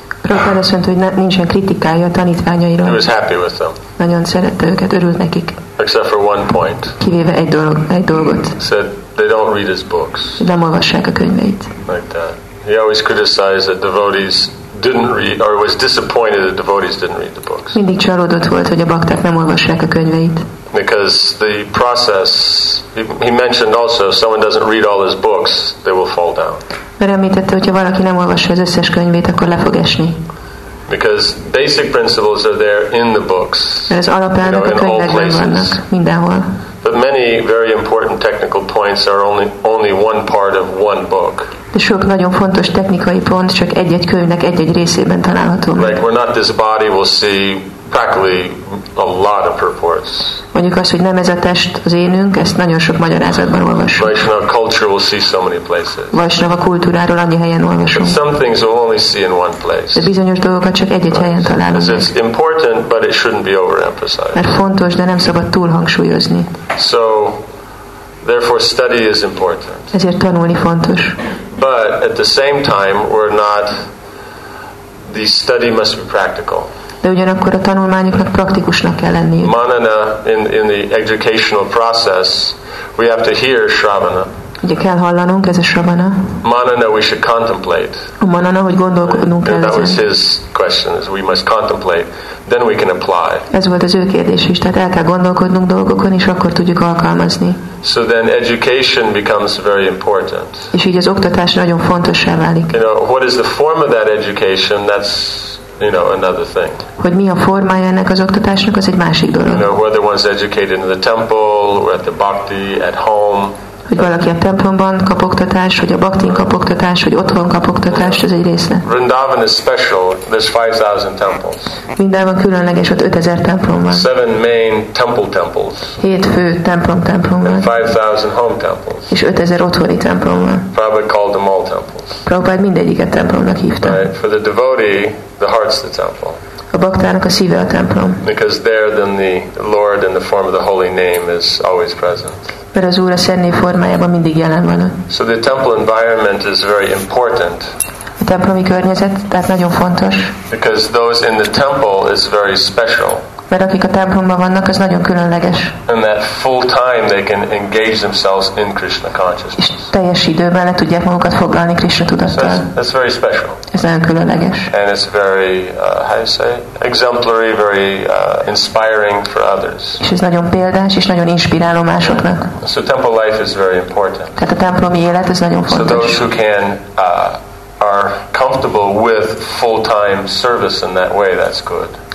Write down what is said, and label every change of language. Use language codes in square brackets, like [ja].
[hu] Prabhupada szerint, hogy nincsen kritikája a tanítványairól. [en] He was happy with them. [hu] Nagyon szerette őket, örült nekik. [en] Except for one point. [hu] Kivéve egy dolgot. [en] Said they don't read his books. [hu] Nem olvassák a könyveit. [en] Like that. He always criticized that devotees didn't read, or was disappointed that devotees didn't read the books. [hu] Mindig csalódott volt, hogy a bakták nem olvassák a könyveit. [en] Because the process, he mentioned also, if someone doesn't read all his books, they will fall down. [hu] Említette, hogyha valaki nem olvassa az összes könyvét, akkor le fog esni. [en] Because basic principles are there in the books. [hu] Mert az alapelvek, [en] you know, [hu] a könyvekben vannak, mindenhol. [en] But many very important technical points are only one part of one book. [hu] De sok nagyon fontos technikai pont csak egy-egy könyvnek egy-egy részében található. [en] Like we're not this body, we'll see practically a lot of purports. [hu] Mondjuk azt, hogy nem ez a test az énünk, ezt nagyon sok magyarázatban olvasunk. [en] Vaishnava culture will see so many places. [hu] Vaishnava kultúráról annyi helyen olvasunk. [en] But some things we'll only see in one place. [hu] De bizonyos dolgokat csak egy-egy helyen találunk. [en] It's important, but it shouldn't be overemphasized. [hu] Mert fontos, de nem szabad túl hangsúlyozni. [en] So, therefore study is important. [hu] Ezért tanulni fontos. [en] But at the same time, we're not, the study must be practical. [hu] De ugyanakkor a tanulmányoknak praktikusnak kell lenniük. [en] Manana, in the educational process, we have to hear shravana. [hu] Ugye kell hallanunk, ez a shravana. [en] Manana, we should contemplate. [hu] A manana, hogy gondolkodnunk kell. [en] That was his question, is we must contemplate, then we can apply. [hu] Ez volt az ő kérdés is, tehát el kell gondolkodnunk dolgokon, és akkor tudjuk alkalmazni. [en] So then education becomes very important. [hu] És így az oktatás nagyon fontossá válik. [en] You know, what is the form of that education, that's, you know, another thing. [hu] Hogy mi a formája ennek az oktatásnak, az egy másik dolog. [en] You know, whether one's educated in the temple, or at the bhakti, at home. [hu] Hogy valaki a templomban kap oktatást, hogy a baktin kap oktatást, hogy otthon kap oktatást, ez egy része. [en] Vrindavan is special. There's 5,000 temples. [hu] Vrindavan különleges, ott 5,000 templom van. [en] 7 main temple temples. [hu] 7 fő templom van. [en] 5,000 home temples. [hu] És 5,000 otthoni templom van. [en] Prabhupada called them all temples. [hu] Prabhupada mindegyiket templomnak hívta. [en] Right. For the devotee, the heart's the temple. [hu] A baktának a szíve a templom. [en] Because there then the Lord in the form of the holy name is always present. [hu] Mert az Úr a szent név formájában mindig jelen van. [en] So the temple environment is very important. [hu] A templomi környezet, tehát nagyon fontos. [en] Because those in the temple is very special. [hu] Mert akik a templomban vannak, az nagyon különleges. [en] And that full time they can engage themselves in Krishna consciousness. [hu] És teljes időben le tudják magukat foglalni Krishna tudattal. [en] That's very special. [hu] Ez nagyon különleges. [en] And it's very, how you say, exemplary, very inspiring for others. [hu] És ez nagyon példás és nagyon inspiráló másoknak. [en] So temple life is very important. [hu] Tehát a templomi élet ez nagyon fontos. [en] So those who can are comfortable with full time service in that way, that's good.